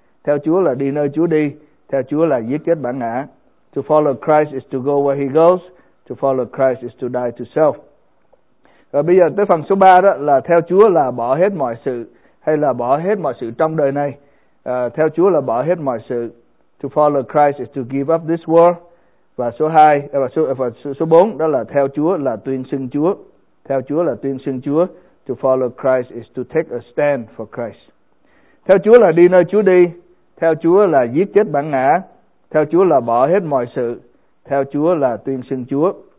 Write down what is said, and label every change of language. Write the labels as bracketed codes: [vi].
[vi] Theo Chúa là đi nơi Chúa đi, theo Chúa là giết chết bản ngã. [en] To follow Christ is to go where he goes, to follow Christ is to die to self. [vi] Và bây giờ tới phần số 3, đó là theo Chúa là bỏ hết mọi sự, hay là bỏ hết mọi sự trong đời này. Theo Chúa là bỏ hết mọi sự. [en] To follow Christ is to give up this world. [vi] Và số 4 đó là theo Chúa là tuyên xưng Chúa. Theo Chúa là tuyên xưng Chúa. [en] To follow Christ is to take a stand for Christ. [vi] Theo Chúa là đi nơi Chúa đi. Theo Chúa là giết chết bản ngã. Theo Chúa là bỏ hết mọi sự. Theo Chúa là tuyên xưng Chúa.